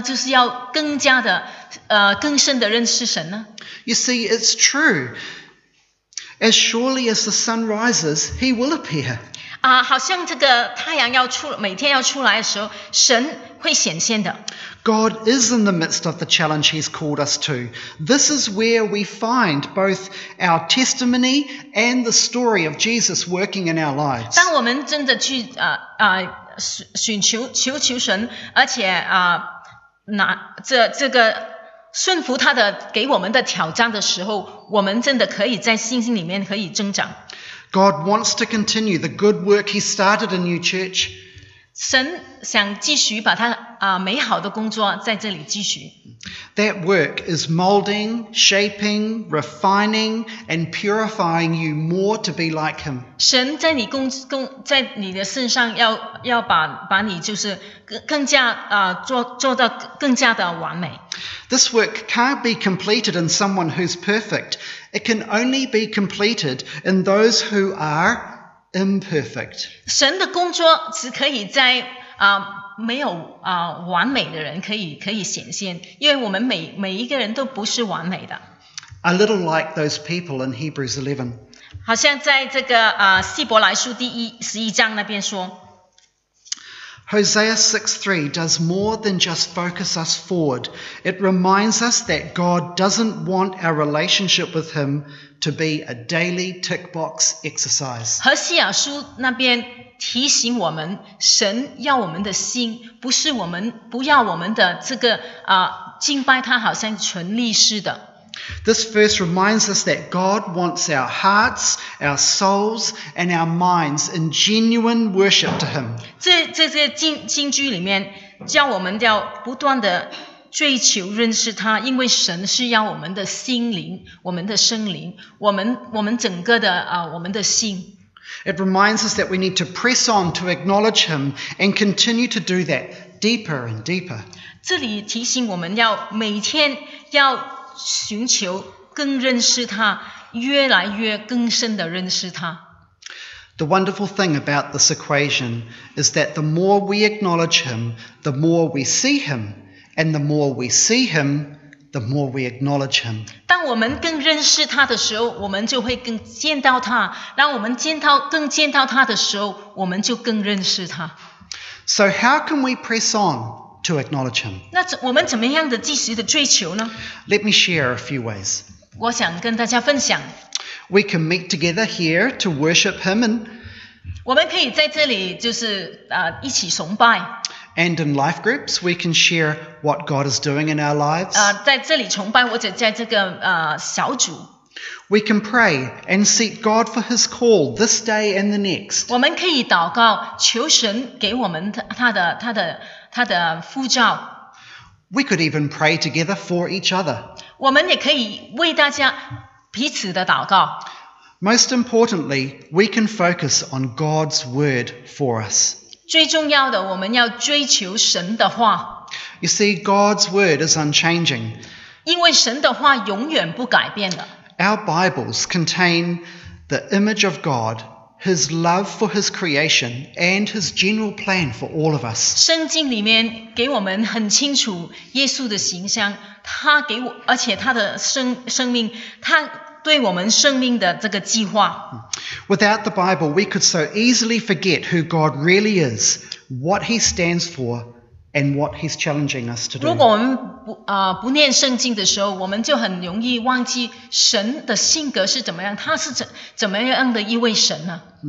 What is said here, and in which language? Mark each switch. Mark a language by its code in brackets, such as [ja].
[zh] 就是要更加的更深的认识神呢？ [en] You see, it's true. As surely as the sun rises, he will appear. [zh] 好像这个太阳要出，每天要出来的时候，神会显现的。 [en] God is in the midst of the challenge he's called us to. This is where we find both our testimony and the story of Jesus working in our lives. [zh] 当我们真的去寻求求求神，而且拿这个。顺服他的给我们的挑战的时候，我们真的可以在信心里面可以增长。 [en] God wants to continue the good work He started in you, church. [zh] 神想继续把他美好的工作在这里继续。 [en] That work is molding, shaping, refining, and purifying you more to be like Him. [zh] 神在你在你的身上要把你就是更加做到更加的完美。 [en] This work can't be completed in someone who's perfect. It can only be completed in those who are imperfect. [zh] 神的工作只可以在没有完美的人可以显现，因为我们每一个人都不是完美的。 [en] A little like those people in Hebrews 11. [zh] 好像在这个希伯来书第11章那边说。 [en] Hosea 6:3 does more than just focus us forward. It reminds us that God doesn't want our relationship with Him to be a daily tick box exercise. [zh] 何西亚书那边提醒我们，神要我们的心，不要我们的这个敬拜他好像存利似的。 [en] This verse reminds us that God wants our hearts, our souls, and our minds in genuine worship to Him. [zh] 这个经句里面叫我们要不断的追求认识他，因为神是要我们的心灵、我们的生灵、我们整个的我们的心。 [en] It reminds us that we need to press on to acknowledge Him and continue to do that deeper and deeper. [zh] 这里提醒我们要每天要寻求更认识他，越来越更深的认识他。 [en] The wonderful thing about this equation is that the more we acknowledge Him, the more we see Him, and the more we see Him, the more we acknowledge Him. [zh] 当我们更认识他的时候，我们就会更见到他；当我们见到他的时候，我们就更认识他。 [en] So how can we press on? To acknowledge Him. [zh] 那我们怎么样的继续的追求呢？ [en] Let me share a few ways. [zh] 我想跟大家分享。 [en] We can meet together here to worship Him and [zh] 我们可以在这里就是一起崇拜。 [en] And in life groups, we can share what God is doing in our lives. [zh] 在这里崇拜或者在这个小组。 [en] We can pray and seek God for His call this day and the next. [zh] 我们可以祷告，求神给我们他的呼召。 [en] We could even pray together for each other. [zh] 我们也可以为大家彼此的祷告。 [en] Most importantly, we can focus on God's word for us. [zh] 最重要的，我们要追求神的话。 [en] You see, God's word is unchanging. [zh] 因为神的话永远不改变的。 [en] Our Bibles contain the image of God, His love for His creation, and His general plan for all of us. [zh] 圣经里面给我们很清楚耶稣的形象，他给我，而且他的生命，他对我们生命的这个计划。 [en] Without the Bible, we could so easily forget who God really is, what He stands for, and what He's challenging us to do. [zh] 如果我们不念圣经的时候，我们就很容易忘记神的性格是怎么样，他是怎么样的一位神呢？